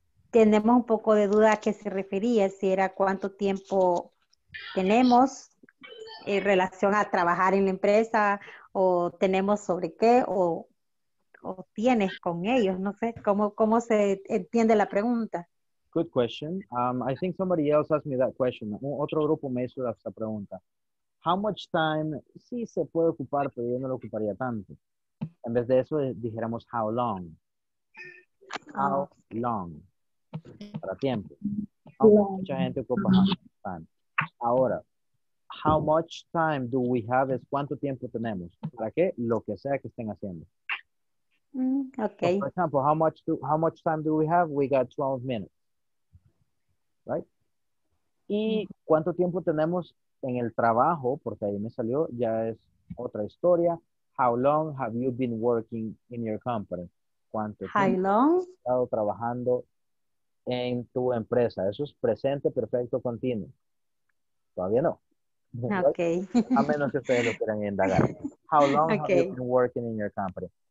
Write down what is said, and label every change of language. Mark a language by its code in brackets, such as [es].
[es] Tenemos un poco de duda a qué se refería, si era cuánto tiempo tenemos en relación a trabajar en la empresa, o tenemos sobre qué, o tienes con ellos, no sé, ¿cómo se entiende la pregunta? [en] Good question. I think somebody else asked me that question. [es] Otro grupo me hizo esa pregunta. [en] How much time, [es] sí se puede ocupar, pero yo no lo ocuparía tanto. En vez de eso, dijéramos [en] how long. How long. [es] Para tiempo. Mucha gente ocupa how much time. Ahora, [en] how much time do we have [es] es cuánto tiempo tenemos. ¿Para qué? Lo que sea que estén haciendo. [en] Okay. So for example, how much time do we have? We got 12 minutes. Right? [es] ¿Y cuánto tiempo tenemos en el trabajo? Porque ahí me salió, ya es otra historia. [en] How long have you been working in your company? [es] ¿Cuánto tiempo [en] how long? [es] Has estado trabajando en tu empresa? Eso es presente, perfecto, continuo. Todavía no. [en] Okay. [es] A menos que ustedes lo quieran indagar. [en] How long okay. have you been working in your company?